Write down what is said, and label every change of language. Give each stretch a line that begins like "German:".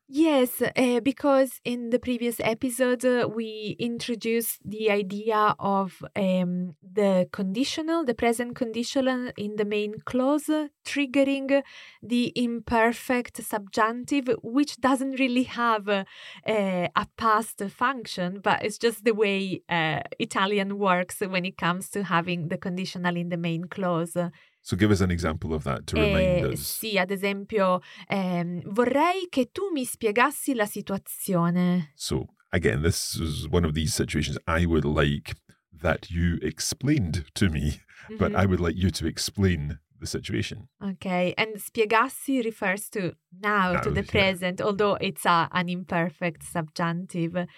English: Yes, because in the previous episode, we introduced the idea of the conditional, the present conditional in the main clause, triggering the imperfect subjunctive, which doesn't really have a past function, but it's just the way Italian works when it comes to having the conditional in the main clause. So give us an example of that to remind us.
Italian: Sì, ad esempio, vorrei che tu mi spiegassi la situazione.
English: So, again, this is one of these situations. I would like that you explained to me, mm-hmm. but I would like you to explain the situation. Okay, and spiegassi refers to now, to the present, although it's an imperfect subjunctive.